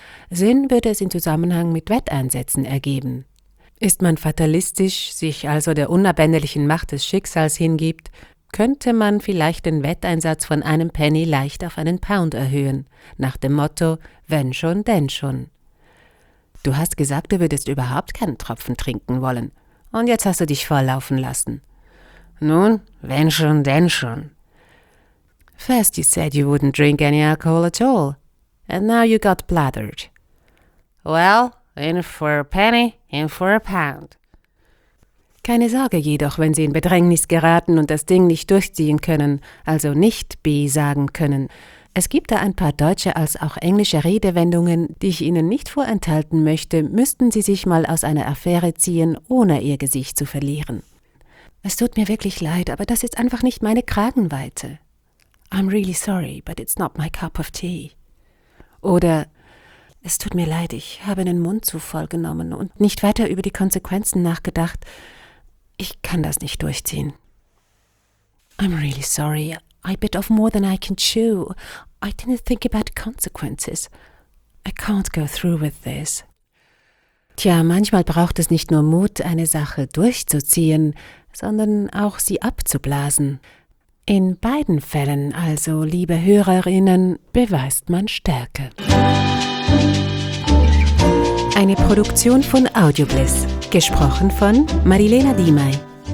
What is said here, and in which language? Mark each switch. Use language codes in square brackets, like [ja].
[de] Sinn würde es in Zusammenhang mit Wetteinsätzen ergeben. Ist man fatalistisch, sich also der unabänderlichen Macht des Schicksals hingibt, könnte man vielleicht den Wetteinsatz von einem Penny leicht auf einen Pound erhöhen, nach dem Motto, wenn schon, denn schon. Du hast gesagt, du würdest überhaupt keinen Tropfen trinken wollen. Und jetzt hast du dich volllaufen lassen. Nun, wenn schon, denn schon. [en] First you said you wouldn't drink any alcohol at all. And now you got blathered. Well, in for a penny, in for a pound. [de] Keine Sorge jedoch, wenn Sie in Bedrängnis geraten und das Ding nicht durchziehen können, also nicht B sagen können. Es gibt da ein paar deutsche als auch englische Redewendungen, die ich Ihnen nicht vorenthalten möchte, müssten Sie sich mal aus einer Affäre ziehen, ohne Ihr Gesicht zu verlieren. Es tut mir wirklich leid, aber das ist einfach nicht meine Kragenweite. [en] I'm really sorry, but it's not my cup of tea. [de] Oder es tut mir leid, ich habe den Mund zu voll genommen und nicht weiter über die Konsequenzen nachgedacht. Ich kann das nicht durchziehen. [en] I'm really sorry. I bit off more than I can chew. I didn't think about consequences. I can't go through with this. [de] Tja, manchmal braucht es nicht nur Mut, eine Sache durchzuziehen, sondern auch sie abzublasen. In beiden Fällen also, liebe Hörerinnen, beweist man Stärke. Eine Produktion von Audiobliss. Gesprochen von Marilena Diemey.